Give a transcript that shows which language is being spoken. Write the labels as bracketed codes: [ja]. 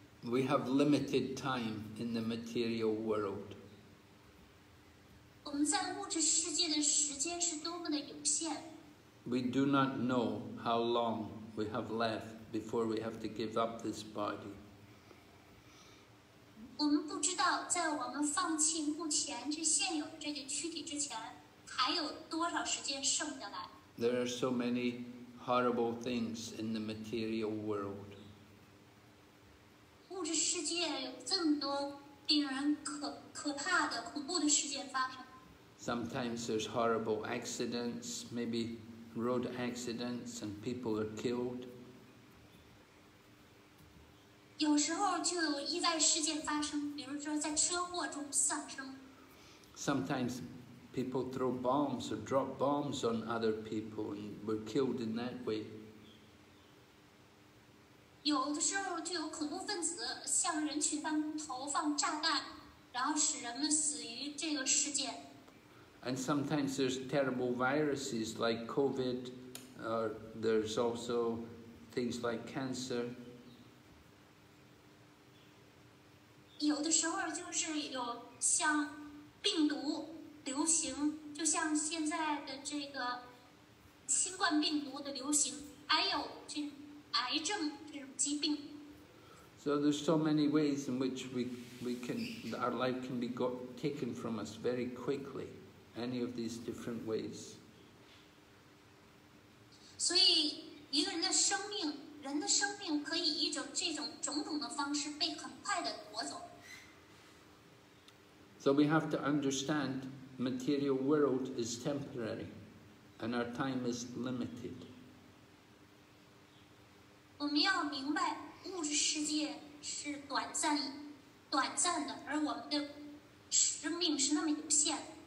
[en] We have limited time in the material world. [zh] 我们在物质世界的时间是多么的有限。 [en] We do not know how long we have left before we have to give up this body. [zh] 我们不知道在我们放弃目前这现有这个躯体之前还有多少时间剩下来。 [en] There are so many horrible things in the material world. [zh] 物控制世界有这么多令人 可怕的恐怖的事件发生。 [en] Sometimes there's horrible accidents, maybe road accidents, and people are killed. [zh] 有时候就有意外事件发生，比如说在车祸中丧生。 [en] Sometimes people throw bombs or drop bombs on other people and were killed in that way. [zh] 有的时候就有恐怖分子向人群当中投放炸弹，然后使人们死于这个事件。 [en] And sometimes there's terrible viruses like COVID, or there's also things like cancer. [zh] 有的时候就是有像病毒流行，就像现在的这个新冠病毒的流行，还有这癌症这种疾病。 [en] So there's so many ways in which we can, our life can be got, taken from us very quickly. Any of these different ways. [zh] 所以一个人的生命，人的生命可以以这种种种的方式被很快的夺走。 [en] So we have to understand material world is temporary and our time is limited. [zh] 我们要明白物质世界是短暂的，而我们的生命是那么有限的。